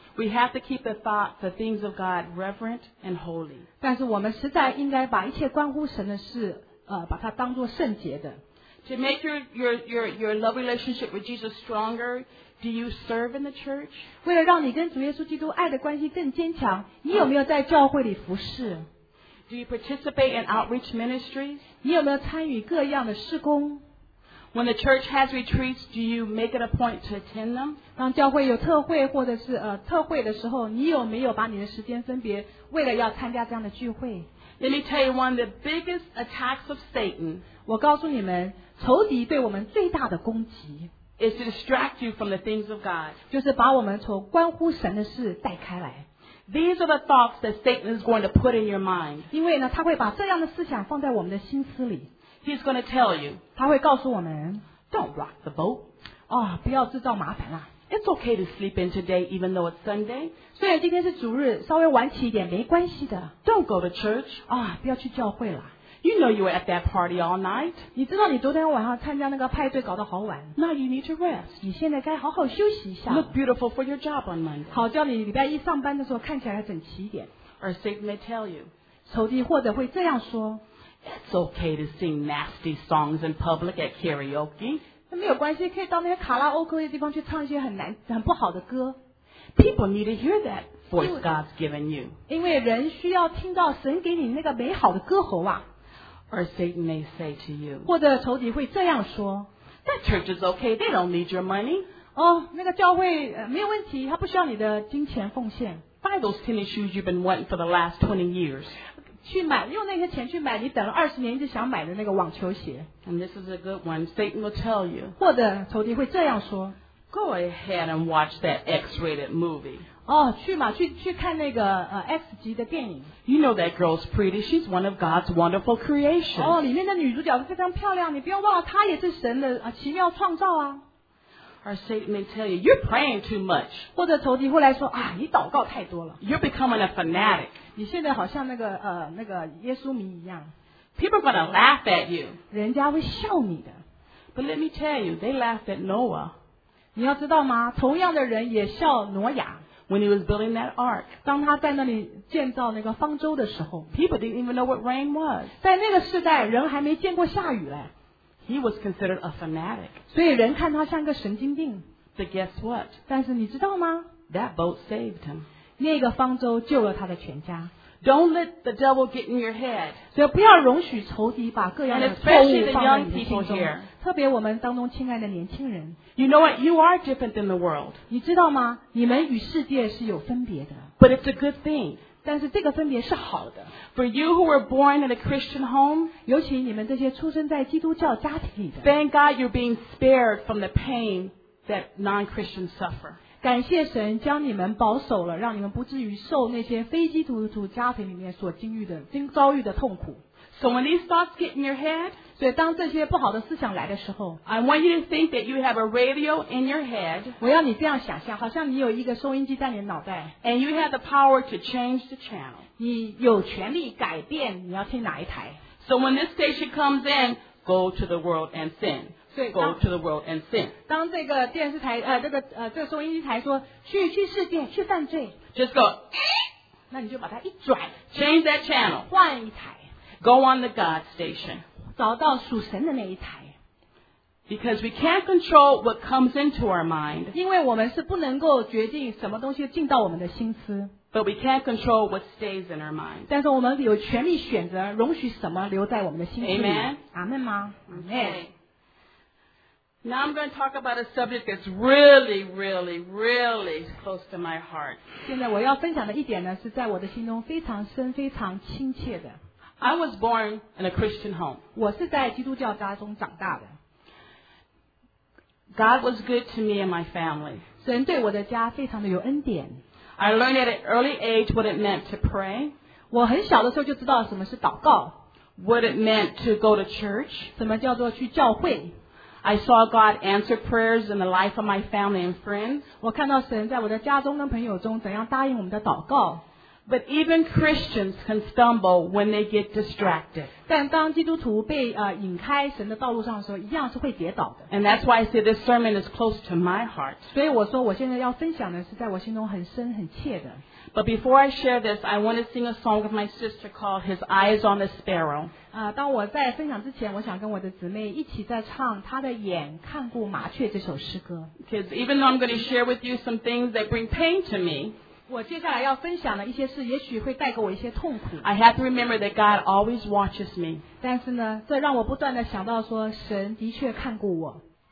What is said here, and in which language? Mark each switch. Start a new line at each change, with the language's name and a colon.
English: We have to keep the thought the things of God reverent and holy.
Chinese: 但是我们实在应该把一切关乎神的事把它当作圣洁的。
English: To make your love relationship with Jesus stronger, do you serve in the church?
Chinese: 为了让你跟主耶稣基督爱的关系更坚强，你有没有在教会里服事？
English: Do you participate in outreach ministries?
Chinese: 你有没有参与各样的事工？
English: When the church has retreats, do you make it a point to attend them?
Chinese: 当教会有特会或者是特会的时候，你有没有把你的时间分别为了要参加这样的聚会？
English: Let me tell you one of the biggest attacks of Satan.
Chinese: 我告诉你们，仇敌对我们最大的攻击
English: is to distract you from the things of God.
Chinese: 就是把我们从关乎神的事带开来。
English: These are the thoughts that Satan is going to put in your mind.
Chinese: 因为呢，他会把这样的思想放在我们的心思里。
English: He's going to tell you.
Chinese: 他会告诉我们
English: ，Don't rock the boat.
Chinese: 哦，不要制造麻烦啦。
English: It's okay to sleep in today, even though it's Sunday.
Chinese: 虽然今天是主日，稍微晚起一点没关系的。
English: Don't go to church.
Chinese: 啊，不要去教会了。
English: You know you were at that party all night.
Chinese: 你知道你昨天晚上参加那个派对搞得好晚。
English: Now you need to rest.
Chinese: 你现在该好好休息一下。
English: Look beautiful for your job on Monday.
Chinese: 好叫你礼拜一上班的时候看起来整齐一点。
English: Or Satan may tell you.
Chinese: 仇敌或者会这样说。
English: It's okay to sing nasty songs in public at karaoke.
Chinese: 没有关系，可以到那些卡拉 OK 的地方去唱一些很不好的歌。
English: People need to hear that voice God's given you.
Chinese: 因为人需要听到神给你那个美好的歌喉啊。
English: Or Satan may say to you,
Chinese: 或者仇敌会这样说
English: That church is okay, they don't need your money.
Chinese: 哦，那个教会没有问题，他不需要你的金钱奉献。
English: Buy those tennis shoes you've been wanting for the last 20 years.
Chinese: 去买，用那些钱去买你等了20年一直想买的那个网球鞋。
English: And this is a good one, Satan will tell you.
Chinese: 或者仇敌会这样说
English: Go ahead and watch that X-rated movie.
Chinese: 哦，去嘛，去看那个X 级的电影。
English: You know that girl's pretty. She's one of God's wonderful creations.
Chinese: 哦，里面的女主角非常漂亮。你不要忘了，她也是神的奇妙创造啊。
English: Or Satan may tell you, you're praying too much.
Chinese: 或者仇敌会来说啊，你祷告太多了。
English: You're becoming a fanatic.
Chinese: 你现在好像那个耶稣迷一样。
English: People are going to laugh at you.
Chinese: 人家会笑你的。
English: But let me tell you, they laughed at Noah.
Chinese: 你要知道吗？同样的人也笑挪亚。
English: When he was building that ark,
Chinese: 当他在那里建造那个方舟的时候
English: ，people didn't even know what rain was.
Chinese: 在那个时代，人还没见过下雨嘞。
English: He was considered a fanatic.
Chinese: 所以人看他像个神经病。
English: But guess what?
Chinese: 但是你知道吗
English: ？That boat saved him.
Chinese: 那个方舟救了他的全家。
English: Don't let the devil get in your head.
Chinese: 所以不要容许仇敌把各样的错误放在你的心中。
English: And especially the young people here.
Chinese: 特别我们当中亲爱的年轻人。
English: You know what? You are different than the world.
Chinese: 你知道吗？你们与世界是有分别的。
English: But it's a good thing.
Chinese: 但是这个分别是好的。
English: For you who were born in a Christian home,
Chinese: 尤其你们这些出生在基督教家庭里的。
English: Thank God you're being spared from the pain that non-Christians suffer.
Chinese: 感谢神将你们保守了，让你们不至于受那些非基督徒家庭里面所经历的、遭遇的痛苦。
English: So when these thoughts get in your head,
Chinese: 所以当这些不好的思想来的时候
English: I want you to think that you have a radio in your head,
Chinese: 我要你这样想象，好像你有一个收音机在你的脑袋
English: and you have the power to change the channel,
Chinese: 你有权利改变你要听哪一台。
English: So when this station comes in, go to the world and sin, go to the world and sin.
Chinese: 当这个电视台这个收音机台说去世界去犯罪
English: just go,
Chinese: 那你就把它一转
English: change that channel,
Chinese: 换一台。
English: Go on the God station.
Chinese: 找到属神的那一台。
English: Because we can't control what comes into our mind.
Chinese: 因为我们是不能够决定什么东西进到我们的心思。
English: But we can't control what stays in our mind.
Chinese: 但是我们有权利选择容许什么留在我们的心思里。
English: Amen.
Chinese: 阿们吗？
English: Amen. Now I'm going to talk about a subject that's really, really, really close to my heart.
Chinese: 现在我要分享的一点呢，是在我的心中非常深、非常亲切的。
English: I was born in a Christian home.
Chinese: 我是在基督教家中长大的。
English: God was good to me and my family.
Chinese: 神对我的家非常的有恩典。
English: I learned at an early age what it meant to pray.
Chinese: 我很小的时候就知道什么是祷告。
English: What it meant to go to church.
Chinese: 什么叫做去教会。
English: I saw God answer prayers in the life of my family and friends.
Chinese: 我看到神在我的家中跟朋友中怎样答应我们的祷告。
English: But even Christians can stumble when they get distracted.
Chinese: 但当基督徒被引开神的道路上的时候，一样是会跌倒的。
English: And that's why I say this sermon is close to my heart.
Chinese: 所以我说我现在要分享的是在我心中很深很切的。
English: But before I share this, I want to sing a song with my sister called His Eyes on the Sparrow.
Chinese: 当我在分享之前，我想跟我的姊妹一起在唱她的眼看顾麻雀这首诗歌。
English: Because even though I'm going to share with you some things that bring pain to me,
Chinese: 我接下来要分享的一些事也许会带给我一些痛苦。
English: I have to remember that God always watches me.
Chinese: 但是呢，这让我不断地想到说，神的确看顾我。